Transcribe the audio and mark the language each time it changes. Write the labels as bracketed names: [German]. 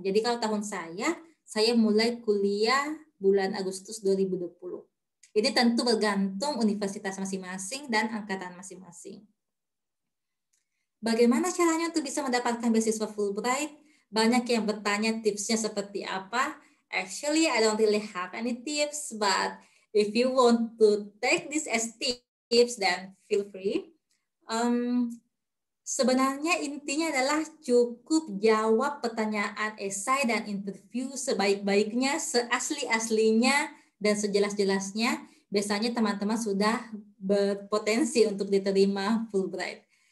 [Indonesian] Jadi kalau tahun saya mulai kuliah bulan Agustus 2020. Ini tentu bergantung universitas masing-masing dan angkatan masing-masing. Bagaimana caranya untuk bisa mendapatkan beasiswa Fulbright? Banyak yang bertanya tipsnya seperti apa. [English] Actually, I don't really have any tips, but if you want to take this as tips, then feel free. [Indonesian] Sebenarnya intinya adalah cukup jawab pertanyaan esai dan interview sebaik-baiknya, seasli-aslinya, dan sejelas-jelasnya. Biasanya teman-teman sudah berpotensi untuk diterima Fulbright.